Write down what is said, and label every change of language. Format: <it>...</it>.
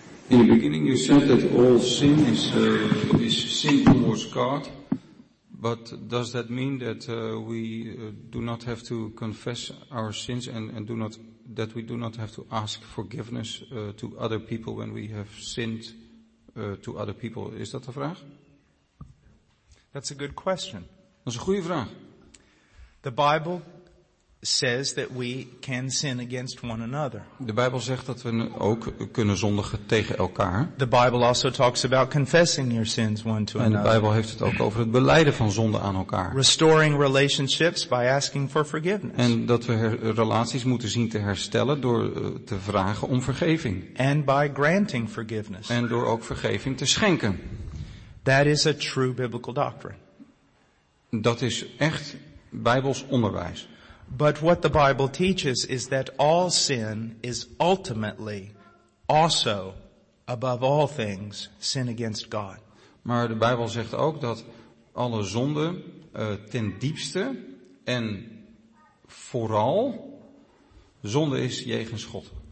<en>In the beginning you said that all sin is sin towards God, but does that mean that we do not have to confess our sins and do not, that we do not have to ask forgiveness to other people when we have sinned to other people? Is that the</en> <nl>vraag?</nl> <en>That's a good question.</en> <nl>Dat is een goede vraag.</nl> <en>The Bible says that we can sin against one another.</en> <nl>De Bijbel zegt dat we ook kunnen zondigen tegen elkaar.</nl> <en>The Bible also talks about confessing your sins one to another.</en> <nl>En de Bijbel heeft het ook over het belijden van zonden aan elkaar.</nl> <en>Restoring relationships by asking for forgiveness.</en> <nl>En dat we relaties moeten zien te herstellen door te vragen om vergeving.</nl> <en>And by granting forgiveness.</en> <nl>En door ook vergeving te schenken.</nl> <en>That is a true biblical doctrine.</en> <nl>Dat is echt Bijbels onderwijs.</nl> <en>But what the Bible teaches is that all sin is ultimately also above all things sin against God.</en> <nl>Maar de Bijbel zegt ook dat alle zonde ten diepste en vooral zonde is jegens God.</nl>